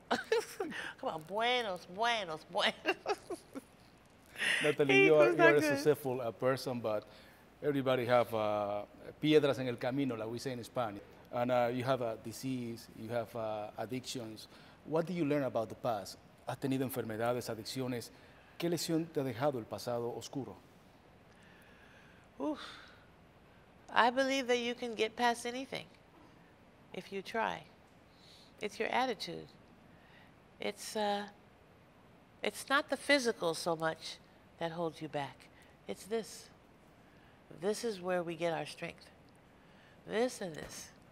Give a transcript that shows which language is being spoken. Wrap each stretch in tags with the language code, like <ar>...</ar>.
<en>Come on,</en> <es>buenos, buenos, buenos.</es> <en>Natalie, you are a successful person, but everybody have</en> <es>piedras en el camino,</es> <en>like we say in Spanish. And you have a disease, you have addictions. What did you learn about the past?</en> <es>¿Has tenido enfermedades, adicciones? ¿Qué lección te ha dejado el pasado oscuro? Oof.</es> <en>I believe that you can get past anything if you try. It's your attitude. It's not the physical so much that holds you back. It's this. This is where we get our strength. This and this.</en>